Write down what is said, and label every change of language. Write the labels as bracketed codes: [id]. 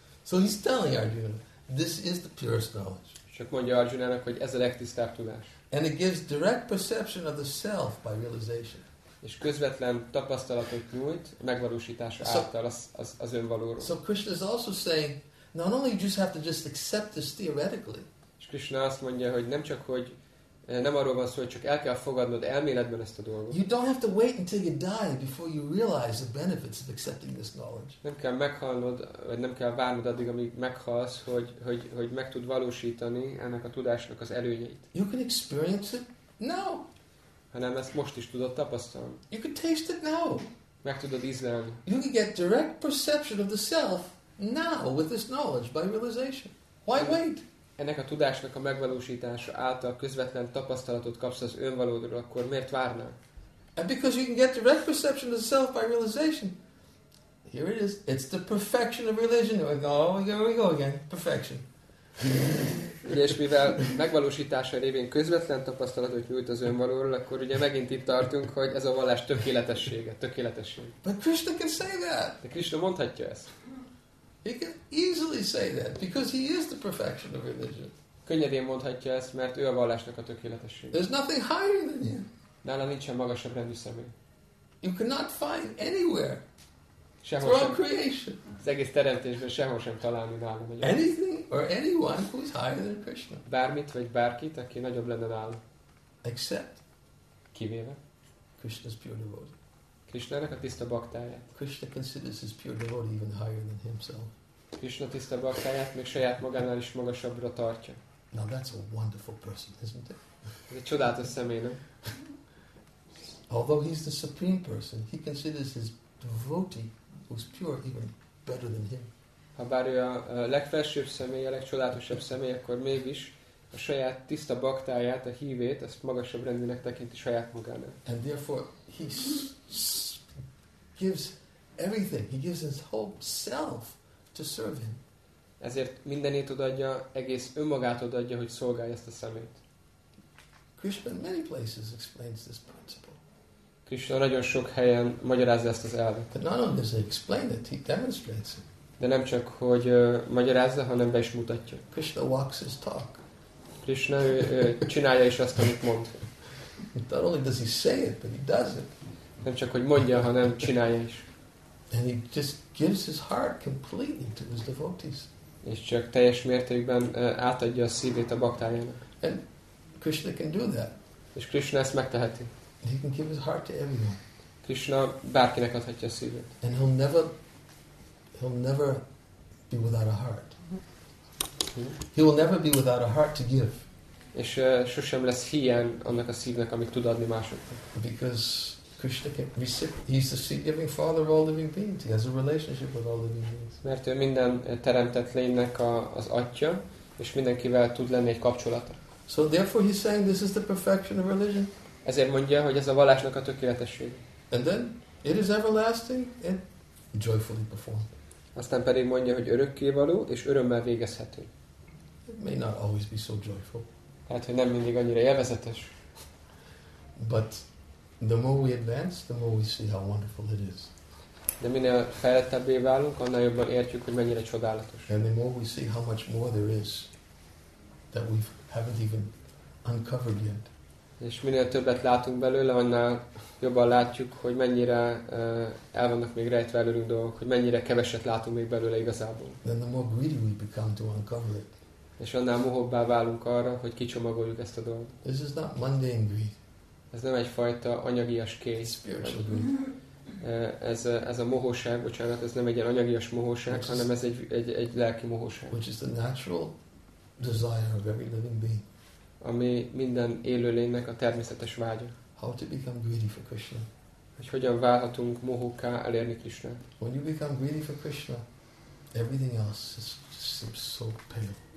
[en] So he's telling Arjuna, this is the purest knowledge. [hu] Csak mondja Arjunának, hogy ez a legtisztább tudás. [en] And it gives direct perception of the self by realization. [hu] És közvetlen tapasztalatot nyújt megvalósítása által az önvalóról. [en] So Krishna is also saying, not only you just have to just accept this theoretically. [hu] És Krishna azt mondja, hogy nem arról van szó, hogy csak el kell fogadnod elméletben ezt a dolgot. [en] You don't have to wait until you die before you realize the benefits of accepting this knowledge. [hu] Nem kell meghalnod, vagy nem kell várnod addig, amíg meghalsz, hogy meg tud valósítani ennek a tudásnak az előnyeit. [en] You can experience it now. [hu] Hanem ezt most is tudod tapasztalni. [en] You can taste it now. [hu] Meg tudod ízlelni. [en] You can get direct perception of the self now with this knowledge by realization. Why wait? [hu] Ennek a tudásnak a megvalósítása által közvetlen tapasztalatot kapsz az önvalódról, akkor miért várnál? [en] And because you can get direct perception of the self by realization. Here it is. It's the perfection of religion. Here we go again. Perfection. [hu] És mivel megvalósítása révén közvetlen tapasztalatot nyújt az önvalóról, akkor ugye megint itt tartunk, hogy ez a vallás tökéletessége. [en] But Krishna can say that. [hu] De Krishna mondhatja ezt. [en] He can easily say that because he is the perfection of religion. [hu] Könnyedén mondhatja ezt, mert ő a vallásnak a tökéletessége. [en] There's nothing higher than him. [hu] Nála nincsen magasabb rendű személy. [en] You cannot find anywhere. [hu] Sehol [en] throughout creation. [hu] Az egész teremtésben sehol sem találni nála. [en] Anything or anyone who is higher than Krishna. [hu] Bármit vagy bárkit, aki nagyobb lenne nála. [en] Except. [hu] Kivéve. [en] Krishna's pure devotee. [hu] Krishna-nak a tiszta baktáját. [en] Krishna considers his pure devotee even higher than himself. [hu] Krishna tiszta baktáját még saját magánál is magasabbra tartja. [en] Now that's a wonderful person, isn't it? [hu] Ez egy csodálatos személy, nem? [en] Although he's the supreme person, he considers his devotee who's pure even better than him. [hu] Ha bár ő a legfelsőbb személy, a legcsodálatosabb személy, akkor mégis a saját tiszta baktáját, a hívét, ezt magasabb rendűnek tekinti saját magánál. [en] And therefore he gives everything. He gives his whole self to serve him. [hu] Ezért mindenét odaadja, egész önmagát odaadja, hogy szolgálja ezt a szemét. [en] Krishna in many places explains this principle. [hu] Krishna nagyon sok helyen magyarázza ezt az elvet. [en] But not only does he explain it, he demonstrates it. [hu] De nem csak, hogy magyarázza, hanem be is mutatja. [en] Krishna walks his talk. [hu] Krishna csinálja is azt, amit mond. [en] Not only does he say it, but he does it. [hu] Nem csak, hogy mondja, hanem csinálja is. [en] And he just gives his heart completely to his devotees. [hu] És csak teljes mértékben átadja a szívét a baktájának. [en] And Krishna can do that. [hu] És Krishna ezt megteheti. [en] He can give his heart to everyone. [hu] Krishna bárkinek adhatja a szívét. [en] And he'll never be without a heart. He will never be without a heart to give. [hu] És sosem lesz hiány annak a szívnek, amit tud adni másoknak. [en] Because Krishna can he's the giving father of all living beings. He has a relationship with all living beings. [hu] Mert ő minden teremtett lénynek az atya, és mindenkivel tud lenni egy kapcsolata. [en] So therefore he's saying this is the perfection of religion. [hu] Ezért mondja, hogy ez a vallásnak a tökéletesség. [en] And then it is everlasting and joyfully performed. [hu] Aztán pedig mondja, hogy örökkévaló és örömmel végezhető. [en] It may not always be so joyful. [hu] Hát, hogy nem mindig annyira élvezetes. [en] But the more we advance, the more we see how wonderful it is. [hu] De minél fejlettebbé válunk, annál jobban értjük, hogy mennyire csodálatos. [en] And the more we see how much more there is that we haven't even uncovered yet. [hu] És minél többet látunk belőle, annál jobban látjuk, hogy mennyire el vannak még rejtve előlünk dolgok, hogy mennyire keveset látunk még belőle igazából. [en] Then the more greedy we become to uncover it. [hu] És annál mohóbbá válunk arra, hogy kicsomagoljuk ezt a dolgot. [en] This is not mundane greed. [hu] Ez nem egyfajta anyagias kéz. [en] Spiritual greed. [hu] Ez a mohóság, bocsánat, ez nem egy ilyen anyagias mohóság, hanem ez egy lelki mohóság. [en] Which is the natural desire of every living being. [hu] Ami minden élőlénynek a természetes vágya. [en] How to become greedy for Krishna? [hu] Hogy hogyan válhatunk mohóká elérni Krishnát? [en] When you become greedy for Krishna, everything else seems so pale.